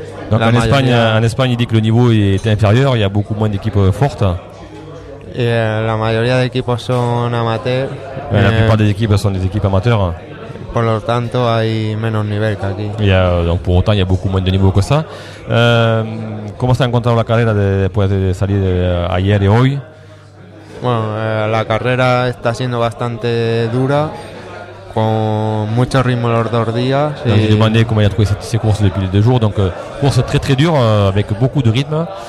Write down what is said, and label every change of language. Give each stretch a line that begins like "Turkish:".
French: donc en España dit que le niveau est inférieur, il y a beaucoup moins d'équipes fortes.
Spanish: Y la mayoría de equipos son amateurs.
French: Mais la plupart des équipes sont des équipes amateurs.
Spanish: Por lo tanto hay menos nivel que aquí.
French: Y donc pour autant il y a beaucoup moins de niveau que ça.
Spanish: ¿Cómo se ha encontrado la carrera después de salir ayer y hoy? Bueno, la carrera está siendo bastante dura, con mucho ritmo los dos días.
French: Donc, j'ai demandé comment il a trouvé ces courses depuis les deux jours. Donc, course très très dure, avec beaucoup de rythme.